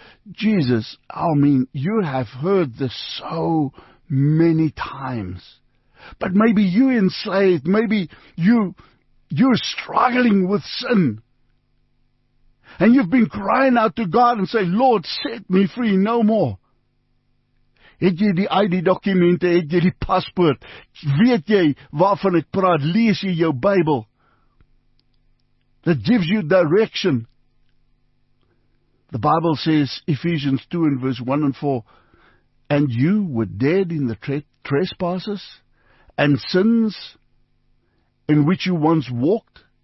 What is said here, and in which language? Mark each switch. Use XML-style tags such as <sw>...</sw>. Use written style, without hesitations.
<en>Jesus, I mean, you have heard this so many times, but maybe you're enslaved, maybe you're struggling with sin. And you've been crying out to God and say, Lord, set me free no more.</en> <af>Het jy die ID dokumente, het jy die paspoort, weet jy waarvan ek praat, lees jy jou Bybel.</af> <en>That gives you direction. The Bible says, Ephesians 2 and verse 1 and 4, and you were dead in the trespasses and sins in which you once walked.</en>